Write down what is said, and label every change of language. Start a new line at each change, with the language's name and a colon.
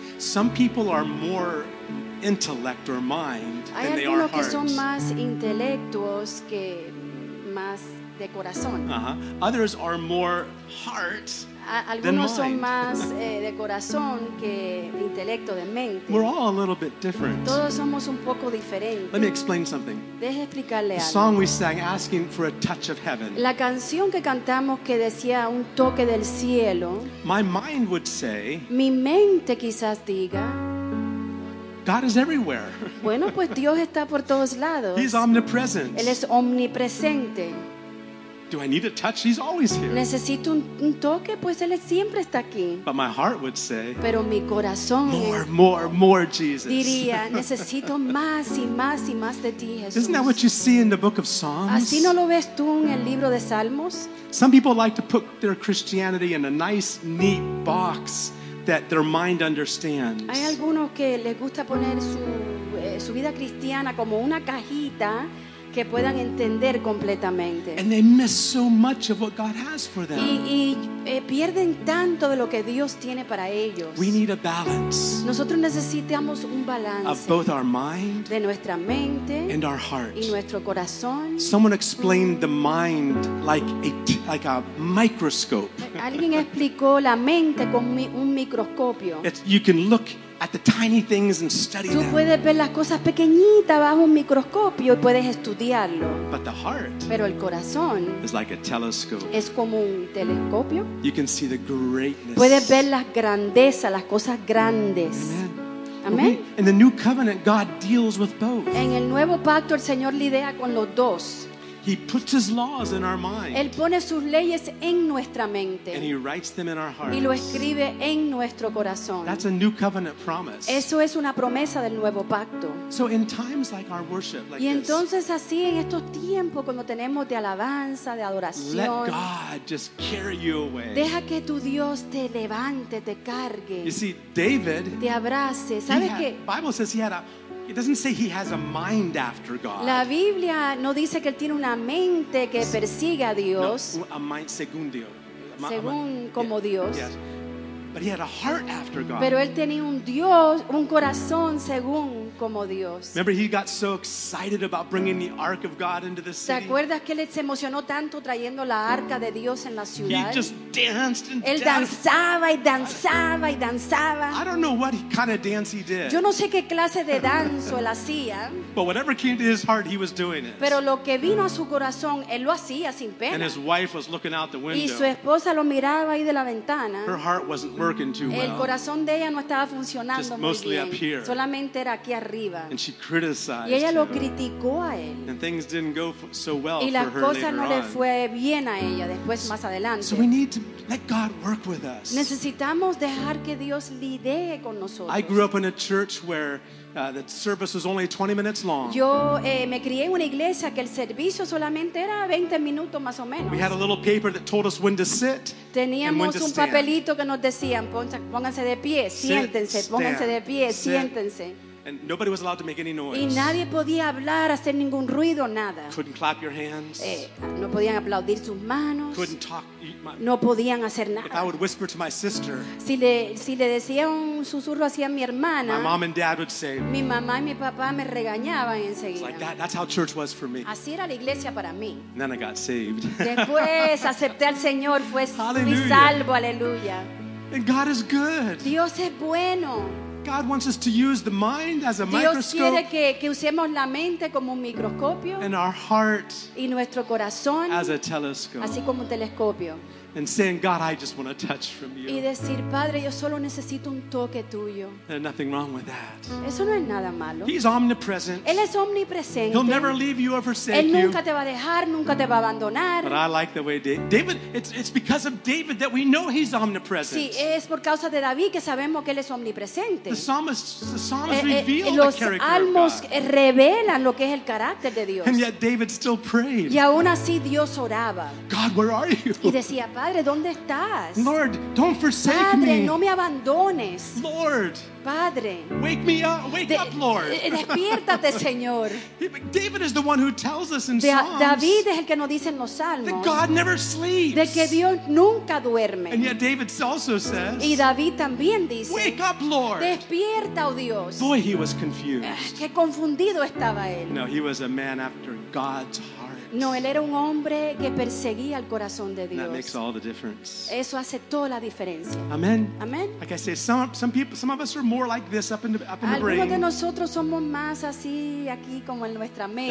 English: Some people are more intellect or mind than they are hearts.
Spanish: Hay algunos que son más intelectuos que más de corazón.
English: Others are more heart than mind.
Spanish: Algunos son más de corazón que intelecto de mente.
English: We're all a little bit different.
Spanish: Todos somos un poco diferentes.
English: Let me explain something.
Spanish: Deje explicarle algo.
English: The song we sang, asking for a touch of heaven.
Spanish: La canción que cantamos que decía un toque del cielo.
English: My mind would say.
Spanish: Mi mente quizás diga.
English: God is everywhere.
Spanish: Bueno, pues Dios está por todos lados.
English: He's omnipresent.
Spanish: Él es omnipresente.
English: Do I need a touch? He's always here.
Spanish: Necesito un toque, pues Él siempre está aquí.
English: But my heart would say,
Spanish: pero mi corazón
English: more, Jesus.
Spanish: Diría, necesito más y más y más de ti, Jesús.
English: Isn't that what you see in the book of Psalms?
Spanish: ¿Así no lo ves tú en el libro de Salmos?
English: Some people like to put their Christianity in a nice, neat box that their mind understands.
Spanish: Hay algunos que les gusta poner su vida cristiana como una cajita que puedan entender completamente.
English: And they miss so much of what God has for them.
Spanish: Y pierden tanto de lo que Dios tiene para ellos.
English: We need a balance.
Spanish: Nosotros necesitamos un balance
English: of both our mind
Spanish: de nuestra mente
English: and our heart.
Spanish: Y nuestro corazón.
English: Someone explained the mind like a microscope.
Spanish: Alguien explicó la mente como un microscopio.
English: You can look at the tiny things and study
Spanish: tú
English: them.
Spanish: Puedes ver las cosas pequeñitas bajo un microscopio y puedes estudiarlo.
English: But the heart
Spanish: pero el corazón
English: is like a telescope.
Spanish: Es como un telescopio.
English: You can see the greatness.
Spanish: Puedes ver las grandezas, las cosas grandes.
English: Amen. In the new covenant, God deals with both.
Spanish: En el nuevo pacto, el Señor lidia con los dos.
English: He puts his laws in our mind.
Spanish: Él pone sus leyes en nuestra mente.
English: And he writes them in our hearts.
Spanish: Y lo escribe en nuestro corazón.
English: That's a new covenant promise.
Spanish: Eso es una promesa del nuevo pacto.
English: So in times like our worship, like
Spanish: y entonces así en estos tiempos cuando tenemos de alabanza, de adoración,
English: let God just carry you away.
Spanish: Deja que tu Dios te levante, te cargue.
English: You see, David,
Spanish: te abrace. ¿Sabes qué?
English: The Bible says he had a It doesn't say he has a mind after God.
Spanish: La Biblia no dice que él tiene una mente que persiga a Dios.
English: No, a mind
Spanish: según Dios. Según como Dios.
English: Yes. But he had a heart after God.
Spanish: Pero él tenía un Dios, un corazón según como Dios.
English: Remember, he got so excited about bringing the ark of God into the city.
Spanish: ¿Te acuerdas que él se emocionó tanto trayendo la arca de Dios en la ciudad?
English: He just danced and
Spanish: él danzaba y danzaba y danzaba.
English: I don't know what kind of dance he did.
Spanish: Yo no sé qué clase de danzo él hacía.
English: But whatever came to his heart, he was doing it.
Spanish: Pero lo que vino a su corazón, él lo hacía sin pena.
English: And his wife was looking out the window.
Spanish: Y su esposa lo miraba ahí de la ventana.
English: Her heart wasn't working too well.
Spanish: El corazón de ella no estaba funcionando
English: just
Spanish: muy bien.
English: Up here.
Spanish: Solamente era aquí arriba.
English: And she criticized
Spanish: y ella lo criticó a él.
English: And things didn't go so well
Spanish: y las
English: for her
Spanish: cosas
English: later
Spanish: no
English: on.
Spanish: Le fue bien a ella después, más adelante.
English: So we need to let God work with us.
Spanish: Necesitamos dejar que Dios lidie con nosotros.
English: I grew up in a church where the service was only 20 minutes long.
Spanish: Yo me crié en una iglesia que el servicio solamente era 20 minutos más o menos.
English: We had a little paper that told us when to sit.
Spanish: Teníamos
English: and when
Spanish: un
English: to stand.
Spanish: Papelito que nos decían, pónganse de pie, siéntense,
English: sit,
Spanish: pónganse
English: stand.
Spanish: De pie,
English: sit.
Spanish: Siéntense.
English: And nobody was allowed to make any noise.
Spanish: Y nadie podía hablar, hacer ningún ruido, nada.
English: Couldn't clap your hands.
Spanish: No podían aplaudir sus manos.
English: Couldn't talk.
Spanish: No podían hacer nada.
English: If I would whisper to my sister,
Spanish: si le decía un susurro hacia mi hermana,
English: my mom and dad would say,
Spanish: mi mamá y mi papá me regañaban enseguida.
English: Like that, that's how church was for me.
Spanish: Así era la iglesia para mí.
English: And then I got saved.
Spanish: Después acepté al Señor, fui salvo, aleluya.
English: And God is good.
Spanish: Dios es bueno.
English: God wants us to use the mind as a
Spanish: Dios
English: microscope.
Spanish: Quiere que usemos la mente como un microscopio.
English: And our heart
Spanish: y nuestro corazón
English: as a telescope.
Spanish: Así como un telescopio.
English: And saying, God, I just want a touch from you.
Spanish: Y decir, Padre, yo solo necesito un toque tuyo.
English: There's nothing wrong with that.
Spanish: Eso no es nada malo.
English: He's omnipresent.
Spanish: Él es omnipresente.
English: He'll never leave you or forsake you.
Spanish: Él nunca te va a dejar, nunca te va a abandonar.
English: But I like the way David it's because of David that we know he's omnipresent.
Spanish: Sí, es por causa de David que sabemos que él es omnipresente.
English: The psalms reveal the character
Spanish: Salmos
English: of God.
Spanish: Los salmos revelan lo que es el carácter de Dios.
English: And yet David still prayed.
Spanish: Y aún así Dios oraba.
English: God, where are you?
Spanish: Y decía, Padre, ¿dónde estás?
English: Lord, don't forsake
Spanish: Padre,
English: me.
Spanish: Padre, no me abandones.
English: Lord.
Spanish: Padre.
English: Wake me up, Lord.
Spanish: Despiértate, Señor.
English: David is the one who tells us in Psalms.
Spanish: David es el que nos dice en los Salmos.
English: That God never sleeps.
Spanish: De que Dios nunca duerme.
English: And yet David also says.
Spanish: Y David también dice.
English: Wake up, Lord.
Spanish: Despierta, oh Dios.
English: Boy, he was confused.
Spanish: Qué confundido estaba él.
English: No, he was a man after God's heart.
Spanish: No, él era un hombre que perseguía el corazón de Dios.
English: That makes all the difference.
Spanish: Eso hace toda la diferencia.
English: Amen.
Spanish: Amen.
English: Like I say, some of us are more like this up in the brain.
Spanish: Algunos de nosotros somos más así aquí como en nuestra mente.